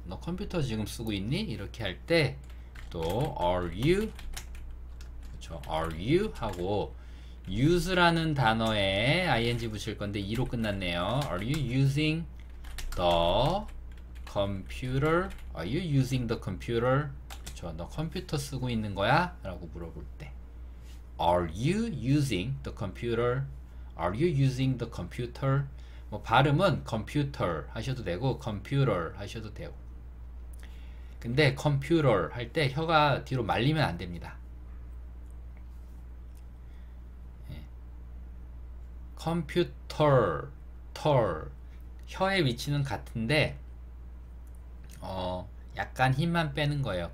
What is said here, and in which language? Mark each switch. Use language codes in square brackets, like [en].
[ko] 너 컴퓨터 지금 쓰고 있니? 이렇게 할 때, 또 [en] Are you? [ko] 그렇죠. [en] Are you? [ko] 하고 use라는 단어에 ing 붙일 건데 이로 끝났네요. [en] Are you using the computer? Are you using the computer? [ko] 그렇죠. 너 컴퓨터 쓰고 있는 거야? 라고 물어볼 때, [en] Are you using the computer? Are you using the computer? [ko] 뭐 발음은 computer 하셔도 되고 computer 하셔도 되고, 근데 computer 할때 혀가 뒤로 말리면 안 됩니다. 컴퓨터, 털, 혀의 위치는 같은데 약간 힘만 빼는 거예요.